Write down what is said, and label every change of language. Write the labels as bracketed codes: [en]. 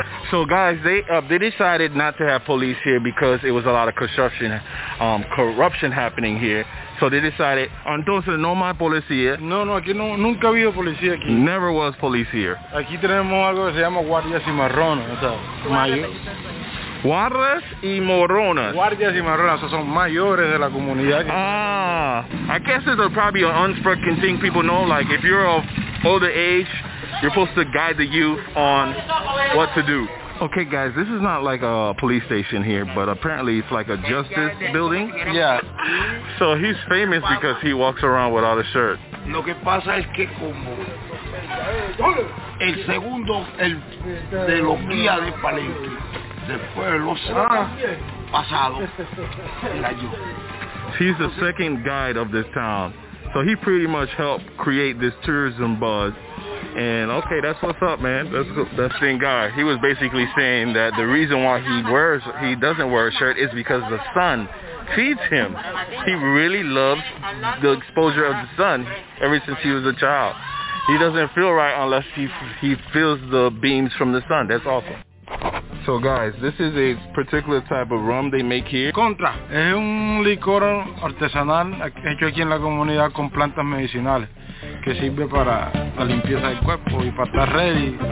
[en] So guys, they decided not to have police here because it was a lot of construction, corruption happening here. So they decided, [es] entonces no más policía. No, aquí no, nunca ha habido policía aquí. [en] Never was police here. [es] Aquí tenemos algo que se llama guardia cimarrón, o sea, mayor. Guardas y moronas. Guardias y moronas, son mayores de la comunidad. [en] I guess it's probably an unspoken thing people know, like if you're of older age, you're supposed to guide the youth on what to do. Okay, guys, this is not like a police station here, but apparently it's like a justice building. Yeah. So he's famous because he walks around without a shirt. [es] Lo que pasa es que como el segundo, el de los guías de Palenque, [en] he's the second guide of this town, so he pretty much helped create this tourism buzz. And okay, that's what's up, man. That's the same guy. He was basically saying that the reason why he doesn't wear a shirt is because the sun feeds him. He really loves the exposure of the sun ever since he was a child. He doesn't feel right unless he feels the beams from the sun. That's awesome. So guys, this is a particular type of rum they make here. [es] Contra. Es un licor artesanal hecho aquí en la comunidad con plantas medicinales que sirve para la limpieza del cuerpo y para estar ready.